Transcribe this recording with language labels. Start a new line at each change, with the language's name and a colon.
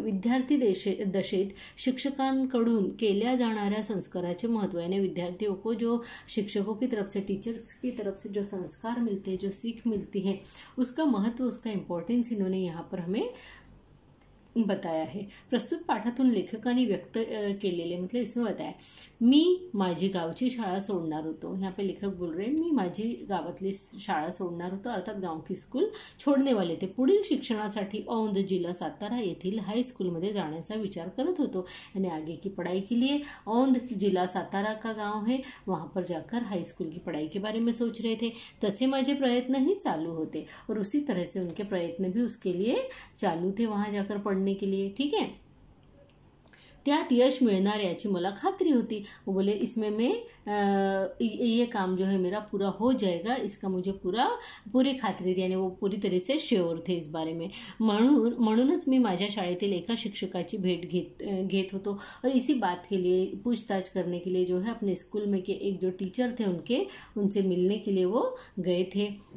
Marathi: विद्यार्थी दशेत शिक्षक कडून केल्या जाणाऱ्या संस्काराचे महत्त्व,
Hindi: यानी विद्यार्थियों को जो शिक्षकों की तरफ से, टीचर्स की तरफ से जो संस्कार मिलते हैं, जो सीख मिलती है, उसका महत्त्व, उसका इम्पोर्टेंस इन्होंने यहाँ पर हमें बताया है।
Marathi: प्रस्तुत पाठातून लेखकांनी व्यक्त केलेले,
Hindi: मतलब इसमें बताया,
Marathi: मी माझी गावची शाळा सोडणार होतो।
Hindi: यहाँ पे लेखक बोल रहे,
Marathi: मी माझी गावातली शाळा सोडणार होतो,
Hindi: अर्थात गाँव की स्कूल छोड़ने वाले थे।
Marathi: पुढील शिक्षणासाठी औंध जिल्हा सातारा येथील हायस्कूलमध्ये जाण्याचा विचार करत होतो,
Hindi: आणि आगे की पढाई के लिए औंध जिल्हा सातारा का गाँव है, वहाँ पर जाकर हाईस्कूल की पढाई के बारे में सोच रहे थे।
Marathi: तसे माझे प्रयत्न ही चालू होते,
Hindi: और उसी तरह से उनके प्रयत्न भी उसके लिए चालू थे वहाँ जाकर पढ़ने के लिए।
Marathi: ठीक है, त्यात यश मिळणार याची मला खात्री होती।
Hindi: वो बोले इसमें मैं ये काम जो है मेरा पूरा हो जाएगा, इसका मुझे पूरा पूरी खात्री थी, यानी वो पूरी तरह से श्योर थे इस बारे में।
Marathi: म्हणूनच मी माझ्या शाळेतील एका शिक्षकाची भेट घेत होतो,
Hindi: और इसी बात के लिए, पूछताछ करने के लिए जो है अपने स्कूल में के एक जो टीचर थे उनके, उनसे मिलने के लिए वो गए थे।